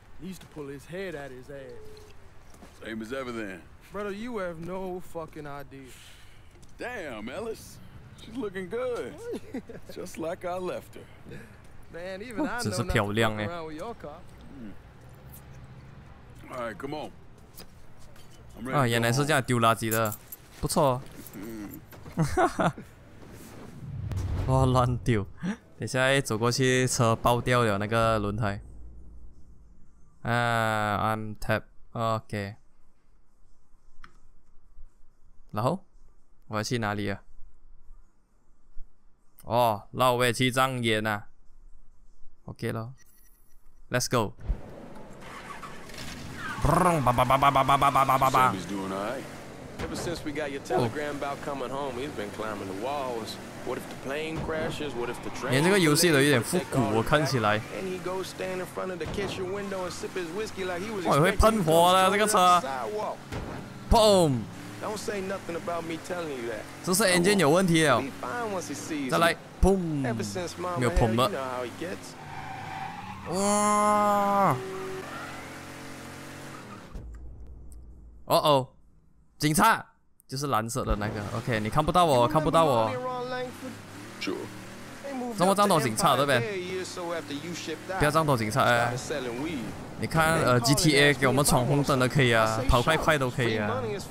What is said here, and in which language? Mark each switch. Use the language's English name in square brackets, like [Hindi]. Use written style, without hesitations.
[English] He used to pull his head out of his ass. Same as ever then. Brother, you have no fucking idea. Damn, Ellis. She's looking good. Just like I left her. Man, even I know not to fuck around with your car. Alright, come on. I'm ready. [Chinese] 原来是这样丢垃圾的，不错。哇，乱丢！等下一走过去，车爆掉了那个轮胎。 [English] I'm tap. OK. [Chinese] 然后我要去哪里啊？哦，老外去葬爷呐。OK 咯 ， [English] Let's go。 He's doing all right. Ever since we got your telegram about coming home, he's been climbing the walls. What if the plane crashes? What if the train? [Chinese] 连这个游戏都有点复古，我看起来。 [English] And he goes stand in front of the kitchen window and sip his whiskey like he was. [Chinese] 哇，会喷火的这个车。Boom. [English] Don't say nothing about me telling you that. [Chinese] 这是 engine 有问题了。再来 ，boom. [English] Ever since mama, you know how he gets. [Chinese] 哇。哦哦，警察，就是蓝色的那个。OK， 你看不到我，看不到我。 [English] Sure。 [Chinese] 这么张罗警察对不对？不要张罗警察哎。你看GTA 给我们闯红灯的可以啊，跑快快都可以啊。